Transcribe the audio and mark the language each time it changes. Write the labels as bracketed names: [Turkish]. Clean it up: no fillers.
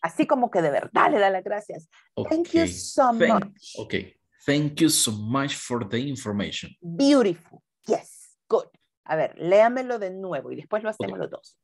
[Spanish] Así como que de verdad le da las gracias. [English] Okay. Thank you so much. Okay, thank you so much for the information. Beautiful, yes. Good. [Spanish] A ver, léamelo de nuevo y después lo hacemos okay.